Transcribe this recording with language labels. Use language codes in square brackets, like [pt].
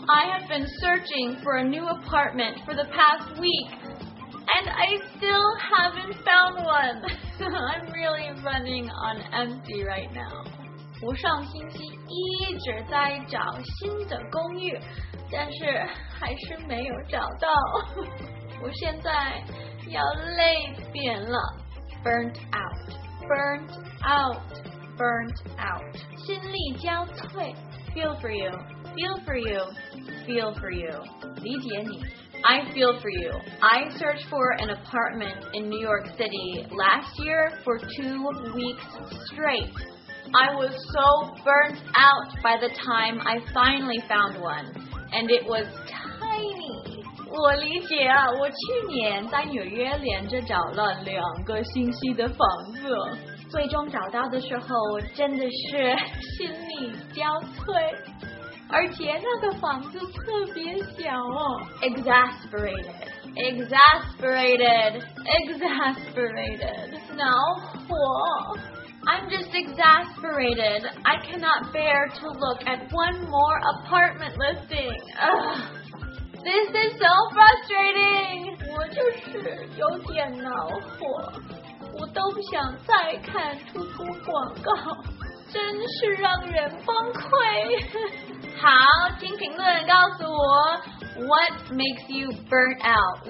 [en] I have been searching for a new apartment for the past week, and I still haven't found one. I'm really running on empty right now. [zh] 我上星期一直在找新的公寓，但是还是没有找到。我现在要累扁了。 [en] Burnt out, burnt out, burnt out. [zh] 心力交瘁。 [en] Feel for you, feel for you, feel for you. [zh] 理解你。 [en] I feel for you. I searched for an apartment in New York City last year for 2 weeks straight. I was so burnt out by the time I finally found one, and it was tiny. [zh] 我理解啊，我去年在纽约连着找了2个星期的房子，最终找到的时候真的是心力交瘁，而且那个房子特别小哦。 [en] Exasperated, exasperated, exasperated. Now, 火。I'm just exasperated. I cannot bear to look at one more apartment listing. This is so frustrating! [zh] 我就是有点恼火，我都不想再看图书广告，真是让人崩溃。好，请评论告诉我 [en] ，What makes you burnt out?